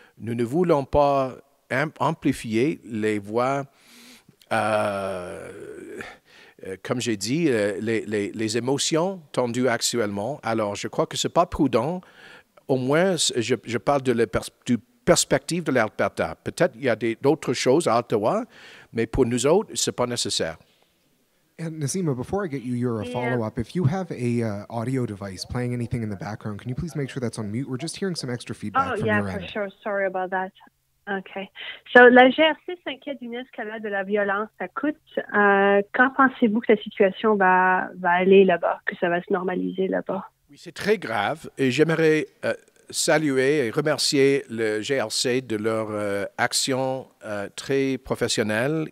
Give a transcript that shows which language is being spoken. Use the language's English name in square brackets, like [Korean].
[French] Nous ne voulons pas amplifier les voix, comme j'ai dit, les émotions tendues actuellement. Alors, je crois que ce n'est pas prudent. Au moins, je parle de la perspective de l'Alberta. Peut-être qu'il y a d'autres choses à Ottawa, mais pour nous autres, ce n'est pas nécessaire. [English] And Nasima, before I get you your follow-up, if you have an audio device playing anything in the background, can you please make sure that's on mute? We're just hearing some extra feedback from your end. Oh, yeah, for sure. Sorry about that. Okay. [French] So, la GRC s'inquiète d'une escalade de la violence à Côte. Quand pensez-vous que la situation va aller là-bas, que ça va se normaliser là-bas? Oui, c'est très grave. Et j'aimerais saluer et remercier le GRC de leur action très professionnelle.